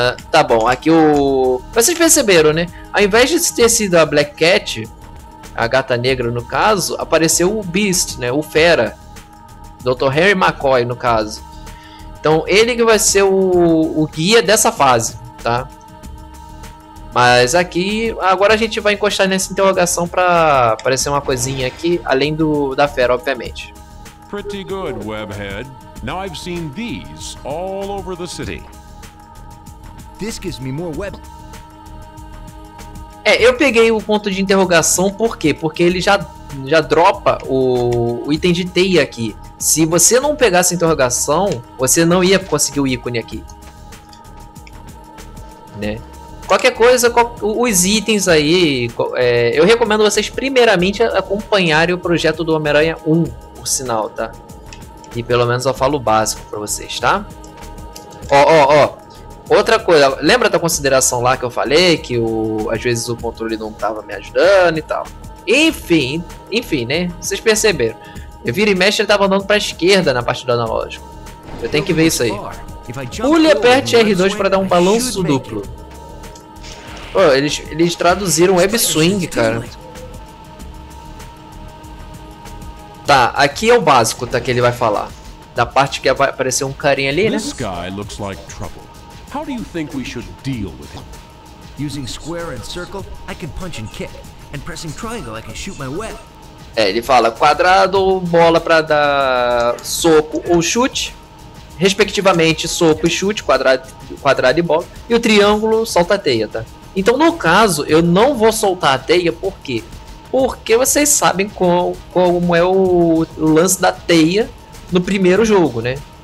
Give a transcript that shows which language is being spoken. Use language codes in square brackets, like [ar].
[pt] Tá bom, aqui o... Vocês perceberam, né, ao invés de ter sido a Black Cat, a gata negra no caso, apareceu o Beast, né, o fera, Dr. Harry McCoy no caso. Então ele que vai ser o guia dessa fase, tá? Mas aqui, agora a gente vai encostar nessa interrogação pra aparecer uma coisinha aqui, além da fera, obviamente. [en] Pretty good, Webhead. Now I've seen these all over the city. This gives me more web. [pt] É, eu peguei o ponto de interrogação, por quê? Porque ele já dropa o item de teia aqui. Se você não pegasse a interrogação, você não ia conseguir o ícone aqui. Né? Qualquer coisa, os itens aí. É, eu recomendo vocês primeiramente acompanharem o projeto do Homem-Aranha 1. Sinal, tá? E pelo menos eu falo básico pra vocês, tá? Ó. Outra coisa, lembra da consideração lá que eu falei que às vezes o controle não tava me ajudando e tal? Enfim, né? Vocês perceberam. Eu viro e mexe, ele tava andando pra esquerda na parte do analógico. Eu tenho que ver isso aí. Pule e aperte R2 pra dar um balanço duplo. Pô, eles traduziram [en] web swing, [pt] cara. Tá, aqui é o básico, tá, que ele vai falar. Da parte que vai aparecer um carinha ali, né? [en] This guy looks like trouble. How do you think we should deal with him? Using square and circle, I can punch and kick. And pressing triangle, I can shoot my web. [pt] É, ele fala quadrado ou bola pra dar soco ou chute, respectivamente soco e chute, quadrado e bola, e o triângulo solta a teia, tá? Então, no caso, eu não vou soltar a teia, por quê? Porque vocês sabem como é o lance da teia no primeiro jogo, né?